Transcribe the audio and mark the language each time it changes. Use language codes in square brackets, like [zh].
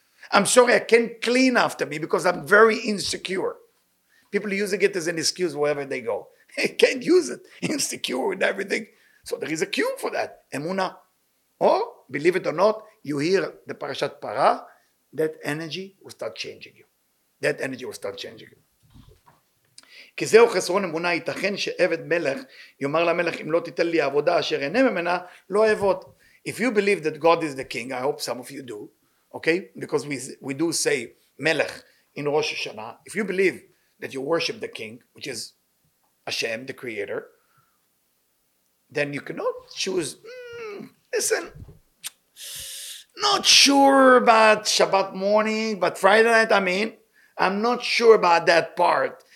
[en] I'm sorry, I can't clean after me because I'm very insecure. People are using it as an excuse wherever they go. They can't use it. Insecure with everything. So there is a cure for that. Emunah. Or, believe it or not, you hear the Parashat Parah, that energy will start changing you. That energy will start changing you. [he] כי זהו חסרון אמונה, ייתכן שעבד מלך יאמר למלך, אם לא תיתן לי עבודה אשר אינה ממנה, לא עבוד. [en] If you believe that God is the king, I hope some of you do, okay? Because we do say מלך in Rosh Hashanah. If you believe that you worship the king, which is Hashem, the creator, then you cannot choose, listen, not sure about Shabbat morning, but Friday night, I'm not sure about that part.